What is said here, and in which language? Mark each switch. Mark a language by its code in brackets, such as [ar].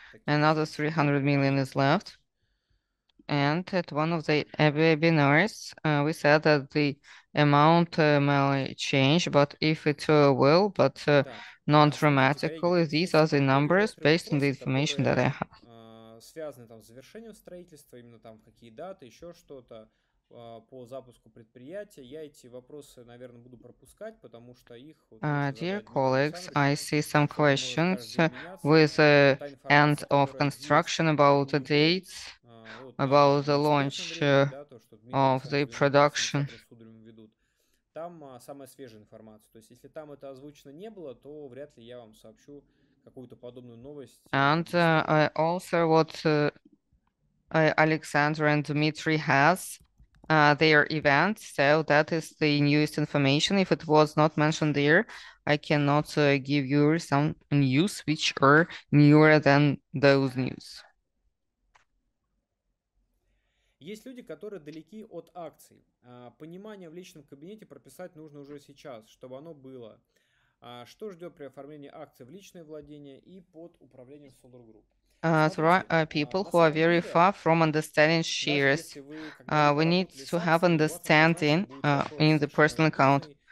[en] Another 300 million is left. And at one of the webinars, we said that the amount may change, but if it will, but not dramatically. These are the numbers based on the information that I have. [ru] Связаны там с завершением строительства, именно там какие даты, еще что-то по запуску предприятия. Я эти вопросы, наверное, буду пропускать, потому что их. [en] Dear colleagues, I see some questions with the end of construction, about the dates, about the launch of the production. [ru] Там самая свежая информация. То есть, если там это озвучено не было, то вряд ли я вам сообщу какую-то подобную новость. [en] And also what Alexander and Dmitry has their event. So that is the newest information. If it was not mentioned there, I cannot give you some news which are newer than those news. [ru] Есть люди, которые далеки от акций. Понимание в личном кабинете прописать нужно уже сейчас, чтобы оно было. Что ждет при оформлении акций в личное владение и под управлением SolarGroup? [en] There are people who are very far from understanding shares. We need to have understanding in the personal account.